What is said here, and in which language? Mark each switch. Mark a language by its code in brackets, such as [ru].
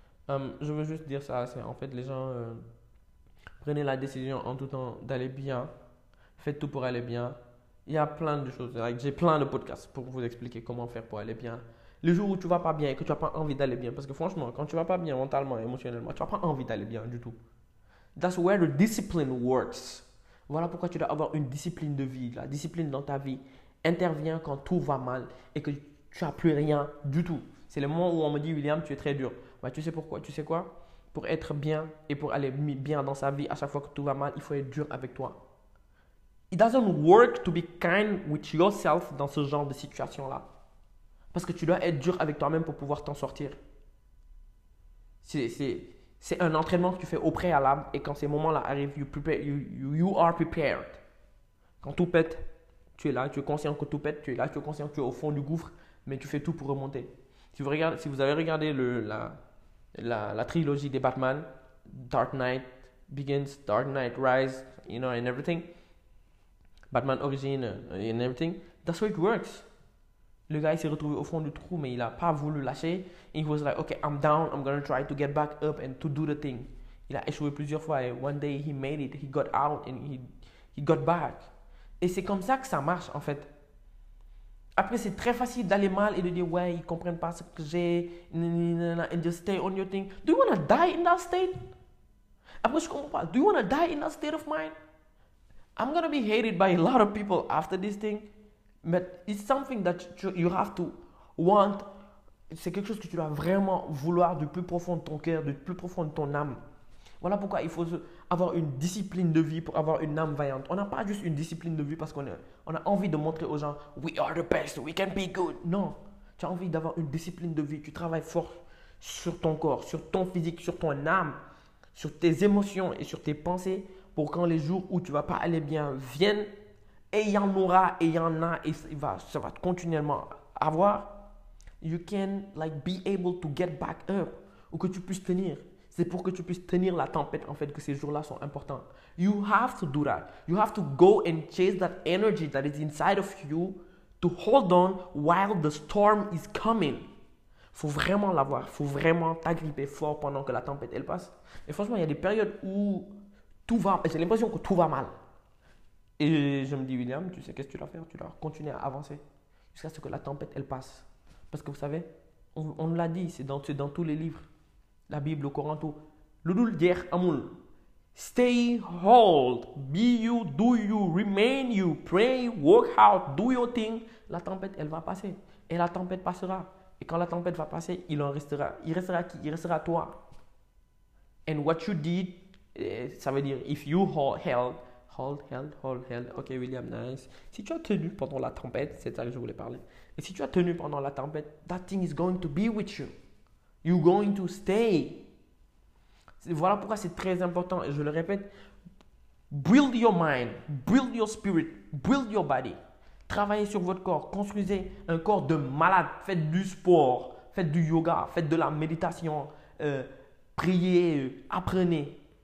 [fr] Je veux juste dire ça, c'est en fait les gens prenez la décision en tout temps d'aller bien, faites tout pour aller bien. Il y a plein de choses, like, j'ai plein de podcasts pour vous expliquer comment faire pour aller bien. Le jour où tu vas pas bien et que tu n'as pas envie d'aller bien, parce que franchement, quand tu vas pas bien mentalement et émotionnellement, tu n'as pas envie d'aller bien du tout. [en] That's where the discipline works. [fr] Voilà pourquoi tu dois avoir une discipline de vie. La discipline dans ta vie intervient quand tout va mal et que tu n'as plus rien du tout. C'est le moment où on me dit, William, tu es très dur. Bah, tu sais pourquoi? Tu sais quoi? Pour être bien et pour aller bien dans sa vie, à chaque fois que tout va mal, il faut être dur avec toi. [en] It doesn't work to be kind with yourself [fr] dans ce genre de situation-là. Parce que tu dois être dur avec toi-même pour pouvoir t'en sortir. C'est un entraînement que tu fais au préalable et quand ces moments-là arrivent, [en] you are prepared. [fr] Quand tout pète, tu es là, tu es conscient que tout pète, tu es là, tu es conscient que tu es au fond du gouffre, mais tu fais tout pour remonter. Si vous avez regardé la trilogie des [en] Batman, Dark Knight Begins, Dark Knight Rise, you know, and everything, Batman Origin, and everything, that's how it works. [fr] Le gars, il s'est retrouvé au fond du trou, mais il n'a pas voulu lâcher. [en] Il was like, OK, I'm down, I'm going to try to get back up and to do the thing. [fr] Il a échoué plusieurs fois et [en] one day he made it, he got out and he got back. [fr] Et c'est comme ça que ça marche en fait. Après, c'est très facile d'aller mal et de dire, ouais, ils ne comprennent pas ce que j'ai, [en] and just stay on your thing. Do you want to die in that state? [fr] Après, je comprends pas. [en] Do you want to die in that state of mind? I'm going to be hated by a lot of people after this thing. Mais it's something that you have to want. [fr] C'est quelque chose que tu dois vraiment vouloir du plus profond de ton cœur, du plus profond de ton âme. Voilà pourquoi il faut avoir une discipline de vie pour avoir une âme vaillante. On n'a pas juste une discipline de vie parce qu'on a envie de montrer aux gens [en] we are the best, we can be good. [fr] Non, tu as envie d'avoir une discipline de vie. Tu travailles fort sur ton corps, sur ton physique, sur ton âme, sur tes émotions et sur tes pensées pour quand les jours où tu vas pas aller bien viennent. Et il y en aura, et il y en a, et ça va continuellement avoir. [en] You can like be able to get back up, [fr] ou que tu puisses tenir. C'est pour que tu puisses tenir la tempête, en fait, que ces jours-là sont importants. [en] You have to do that. You have to go and chase that energy that is inside of you to hold on while the storm is coming. [fr] Faut vraiment l'avoir. Faut vraiment t'agripper fort pendant que la tempête elle passe. Et franchement, il y a des périodes où tout va, j'ai l'impression que tout va mal. Et je me dis, William, tu sais qu'est-ce que tu dois faire? Tu dois continuer à avancer jusqu'à ce que la tempête, elle passe. Parce que vous savez, on nous l'a dit, c'est dans tous les livres, la Bible, le Coran, tout. [wo] Loulou dier amoul. [en] Stay hold. Be you, do you, remain you. Pray, work out, do your thing. [fr] La tempête, elle va passer. Et la tempête passera. Et quand la tempête va passer, il en restera. Il restera qui? Il restera toi. [en] And what you did, [fr] ça veut dire, [en] if you held, hold, held, hold, held. Ok, William, nice. [fr] Si tu as tenu pendant la tempête, c'est ça que je voulais parler. Et si tu as tenu pendant la tempête, [en] that thing is going to be with you. You're going to stay. [fr] Voilà pourquoi c'est très important. Et je le répète, [en] build your mind, build your spirit, build your body. [fr] Travaillez sur votre corps. Construisez un corps de malade. Faites du sport, faites du yoga, faites de la méditation, priez, apprenez.